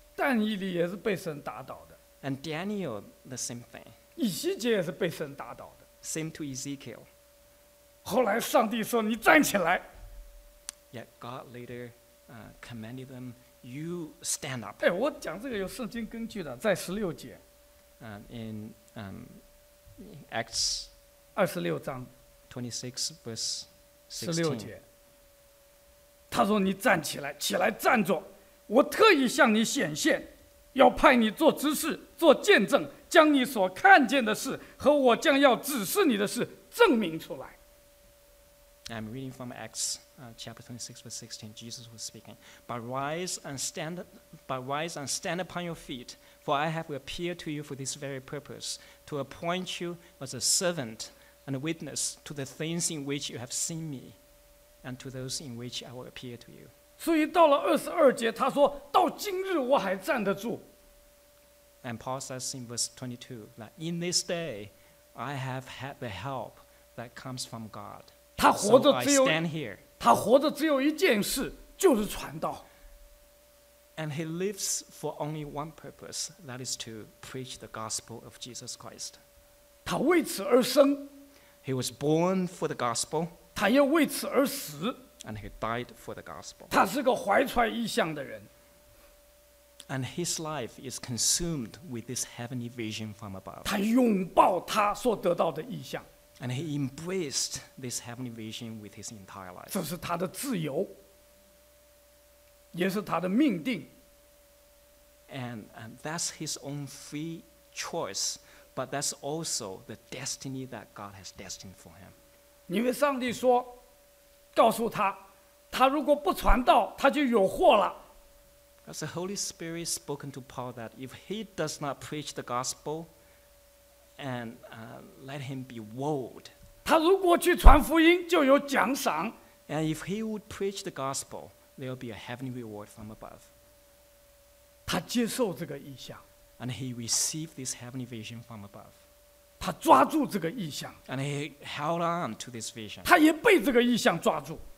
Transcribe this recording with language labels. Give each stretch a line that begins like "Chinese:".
Chinese: 但以理也是被神打倒的。
English: And Daniel the same thing.
Chinese: 以西结也是被神打倒的。
English: Same to Ezekiel.
Chinese: 后来上帝说：“你站起来。”
English: Yet God later commanded them, "You stand up."
Chinese: 哎，我讲这个有圣经根据的，在十六节。
English: In Acts
Chinese: 26章
English: 26 verse 16
Chinese: 十六节，他说你站起来，起来站着，我特意向你显现，要派你做执事，做见证，将你所看见的事和我将要指示你的事证明出来。
English: I'm reading from Acts chapter 26 verse 16. Jesus was speaking, but rise and stand upon your feet, for I have appeared to you for this very purpose, to appoint you as a servant and a witness to the things in which you have seen me and to those in which I will appear to you.
Chinese: 所以到了22节，他说到今日我还站得住。
English: And Paul says in verse 22 that in this day I have had the help that comes from God.
Chinese: 他活着只有
English: so I stand here.
Chinese: 他活着只有一件事，就是传道。
English: And he lives for only one purpose, that is to preach the gospel of Jesus Christ.
Chinese: 他为此而生。
English: He was born for the gospel.
Chinese: 他也为此而死。
English: And he died for the gospel.
Chinese: 他是个怀揣异象的人。
English: And his life is consumed with this heavenly vision from above.
Chinese: 他拥抱他所得到的异象。
English: And he embraced this heavenly vision with his entire life.
Chinese: 这是他的自由。也是他的命定。
English: And that's his own free choice, but that's also the destiny that God has destined for him.
Chinese: 因为上帝说，告诉他，他如果不传道，他就有祸了。
English: As the Holy Spirit spoken to Paul that if he does not preach the gospel, and let him be woed.
Chinese: 他如果去传福音，就有奖赏。
English: And if he would preach the gospel,There will be a heavenly reward from above.
Chinese: 他接受这个意象。
English: And he received this heavenly vision from above.
Chinese: 他抓住这个意象。
English: And he held on to this vision.
Chinese: 他也被这个意象抓住。